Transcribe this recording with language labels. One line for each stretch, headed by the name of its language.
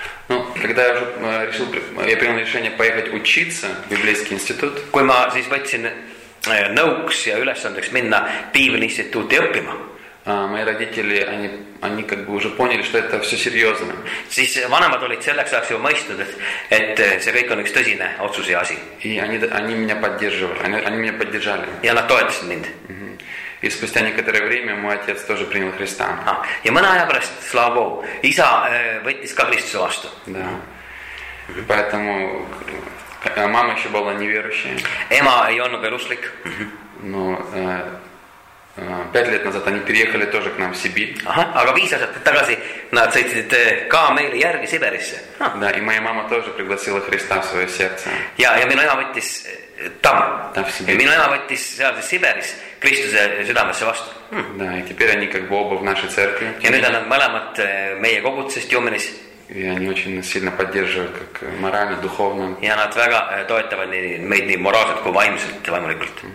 Russian: Ну, когда я уже решил, я принял решение поехать учиться в библейский институт.
Estonian: Kui ma siis võtsin nõuks ja ülesandeks minna Biibli instituuti õppima.
Russian: Мои родители, они как бы уже поняли, что это все серьезно.
Estonian: Siis vanemad olid selleks ajaks juba mõistnud, et see kõik on üks tõsine otsus ja asi.
Russian: И они меня поддерживали, они меня поддержали.
Estonian: Ja nad toetasid mind.
Russian: И спустя некоторое время мой отец тоже принял Христа.
Estonian: Ja mõne aja pärast,
Russian: слава Богу,
Estonian: isa võttis ka Kristuse vastu.
Russian: Да. Поэтому мама еще была неверующая.
Estonian: Ema ei olnud veel usklik.
Russian: Но 5 лет назад они переехали тоже к нам в Сибирь.
Estonian: Ага, aga 5 aastat tagasi nad sõitsid ka meile järgi Siberisse.
Russian: Да, и моя мама тоже пригласила Христа в свое сердце.
Estonian: Ja minu ema võttis там. Ja minu ema võttis seal siis Siberis Kristuse südamesse vastu.
Russian: Да, и теперь они как бы оба в нашей церкви.
Estonian: Ja nüüd on nad mõlemad meie kogudusest Tjumenis.
Russian: И они очень сильно поддерживают как морально, духовно.
Estonian: Ja nad väga toetavad meid nii moraalselt kui vaimselt vaimulikult.